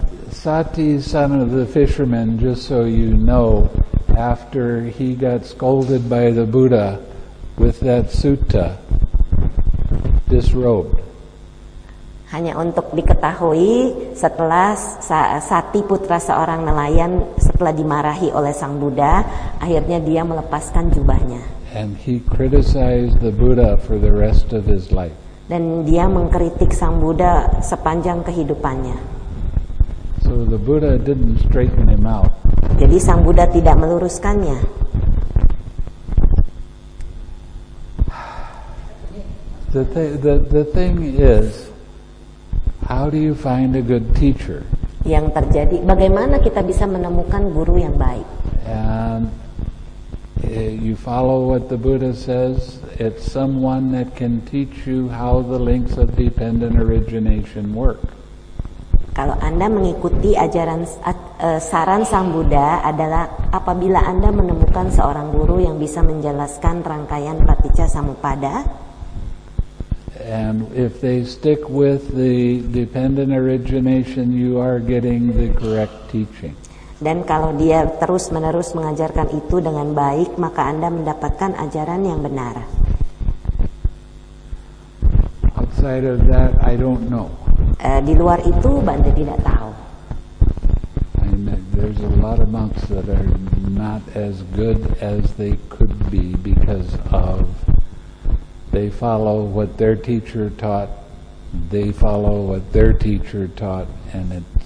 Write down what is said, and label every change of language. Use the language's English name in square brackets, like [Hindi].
[English] Sati, son of the fisherman, just so you know, after he got scolded by the Buddha with that sutta, disrobed. [Indonesian] Hanya untuk diketahui, setelah Sati putra seorang nelayan, setelah dimarahi oleh sang Buddha, akhirnya dia melepaskan jubahnya. [English] And he criticized the Buddha for the rest of his life. [Indonesian] Dan dia mengkritik sang Buddha sepanjang kehidupannya. [English] So the Buddha didn't straighten him out. [Indonesian] Jadi sang Buddha tidak meluruskannya. [English] The thing is, how do you find a good teacher? [Indonesian] Yang terjadi, bagaimana kita bisa menemukan guru yang baik? [English] And you follow what the Buddha says. It's someone that can teach you how the links of dependent origination work. [Indonesian] Kalau Anda mengikuti ajaran saran Sang Buddha adalah apabila Anda menemukan seorang guru yang bisa menjelaskan rangkaian paticca-samuppada. [English] And if they stick with the dependent origination, you are getting the correct teaching. [Indonesian] Dan kalau dia terus-menerus mengajarkan itu dengan baik, maka Anda mendapatkan ajaran yang benar. [English] Outside of that, I don't know. [Indonesian] Di luar itu, Bante tidak tahu. [English] There's a lot of monks that are not as good as they could be because of they follow what their teacher taught, they follow what their teacher taught, and